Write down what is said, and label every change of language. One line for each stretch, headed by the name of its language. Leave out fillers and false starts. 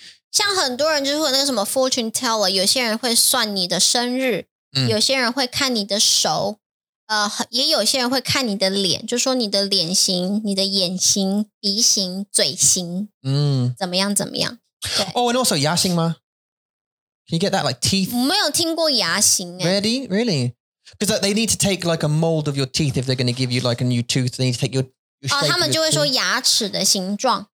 Chinese: 像很多人就是那个什么
English: fortune teller，
Chinese: 有些人会算你的生日，有些人会看你的手，也有些人会看你的脸，就说你的脸型、你的眼型、鼻型、嘴型，怎么样怎么样？对。
English: Oh, and also
Chinese: 牙型吗
English: ？Can you get that like teeth？
Chinese: 没有听过牙型、欸。
English: Ready? Really? Because they need to take like a mold of your teeth if they're going to give you like a new tooth. They need to take your
Chinese: 他们就会说牙齿的形状。